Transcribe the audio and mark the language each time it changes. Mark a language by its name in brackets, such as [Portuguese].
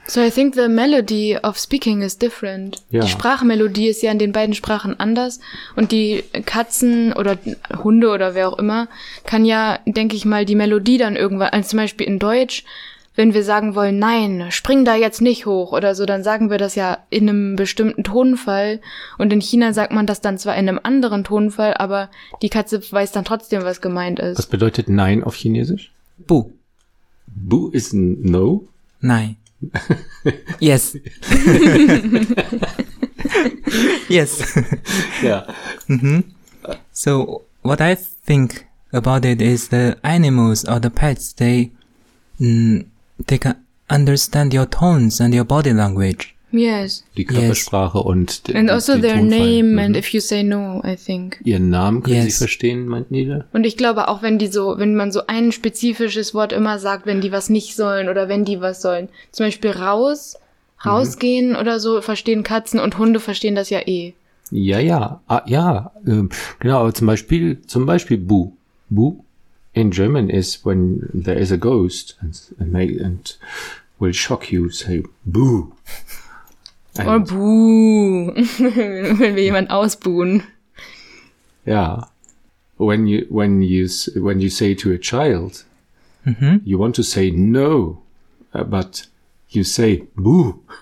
[English] So I think the melody of speaking is different. [German] Ja. Die Sprachmelodie ist ja in den beiden Sprachen anders. Und die Katzen oder Hunde oder wer auch immer, kann ja, denke ich mal, die Melodie dann irgendwann, also zum Beispiel in Deutsch, wenn wir sagen wollen, nein, spring da jetzt nicht hoch oder so, dann sagen wir das ja in einem bestimmten Tonfall. Und in China sagt man das dann zwar in einem anderen Tonfall, aber die Katze weiß dann trotzdem, was gemeint ist. Was bedeutet nein auf Chinesisch? [Chinese] Bu. [English] Bu is no? [German] Nein. [English] Yes. Yes. Yeah. Mm-hmm. So what I think about it is the animals or the pets, they can understand your tones and your body language. Yes. [German] Die Körpersprache, [English] yes. [German] Und die, [English] and also their Tonfall. Name, mhm. And if you say no, I think. [German] Ihren Namen können, [English] yes, [German] sie verstehen, meint Nina. Und ich glaube auch, wenn man so ein spezifisches Wort immer sagt, wenn die was nicht sollen oder wenn die was sollen. Zum Beispiel rausgehen, mhm, oder so, verstehen Katzen und Hunde verstehen das ja eh. Ja, ja. Ah, ja, genau, aber zum Beispiel Bu. [English] Bu in German is when there is a ghost and will shock you, say Bu. [German] Oh, buh, wenn wir jemanden ausbuhen. Ja, [English] when you say to a child, mm-hmm, you want to say no, but you say buh.